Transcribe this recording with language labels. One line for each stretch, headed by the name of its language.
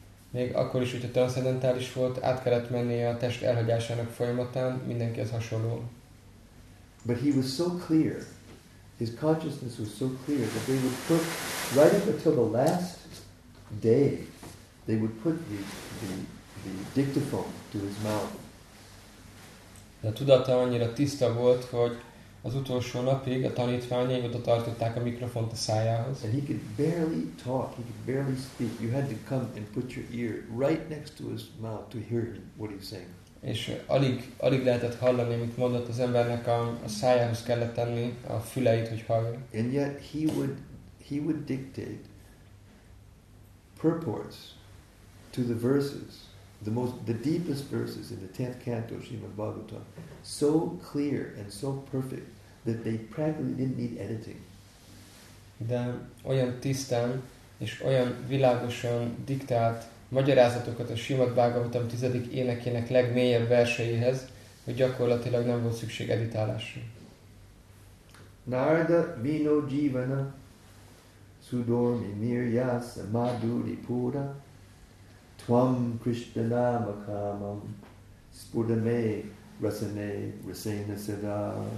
Hungarian: Még akkor is, hogyha transzendentális volt, át kellett mennie a test elhagyásának folyamatán, mindenki az hasonló.
English: But he was so clear, his consciousness was so clear, that they would put, right up until the last day, they would put the dictaphone to his mouth.
Hungarian: De a tudata annyira tiszta volt, hogy az utolsó napig a tanítványai oda tartották a mikrofont a szájához.
English: And he could barely talk, he could barely speak. You had to come and put your ear right next to his mouth to hear him, what he's saying.
Hungarian: És alig lehetett hallani, amit mondott, az embernek a szájához kellett tenni a füleit, hogy halljon.
English: And yet he would dictate purports to the verses. The deepest verses in the 10th canto of Srimad Bhagavatam, so clear and so perfect that they practically didn't need editing.
Hungarian: De olyan tisztán és olyan világosan diktált magyarázatokat a Srimad Bhagavatam 10. énekének legmélyebb verseihez, hogy gyakorlatilag nem volt szükség editálásra.
Sanskrit: Narada Vino Jivana Sudormi Miryasa Madhuri Pura Tvam Krishna Makamam Spurdame Rasane Rasena Sada.